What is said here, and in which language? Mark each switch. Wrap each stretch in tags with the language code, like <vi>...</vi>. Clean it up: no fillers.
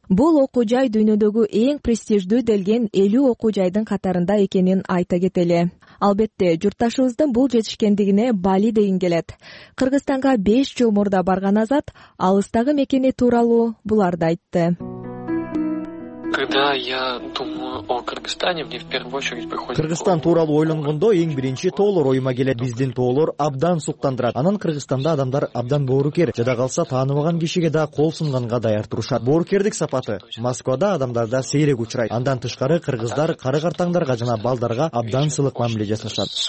<ky>Бул окуу жай дүйнөдөгү эң престиждүү делген 50 окуу жайдын катарында экенин айта кетели. Албетте, журташыбыздын бул жетишкендигине Бали деген келет. Кыргызстанга 5 жыл мурда барган Азат алыстагы мекени тууралуу буларды айтты.</ky> <ru>Когда я думаю о Кыргызстане, мне в первую очередь приходит...</ru> <ky>Кыргызстан тууралуу ойлонгондо эң биринчи тоолор оюма келет. Биздин тоолор абдан суктандырат. Анан Кыргызстанда адамдар абдан боорукер. Жада калса тааныбаган кишиге да кол сунганга даяр турушат. Боорукердик сапаты Москвада адамдарда сейрек учурайт. Андан тышкары кыргыздар кары картаңдарга жана балдарга абдан сылык мамиле жасашат.</ky>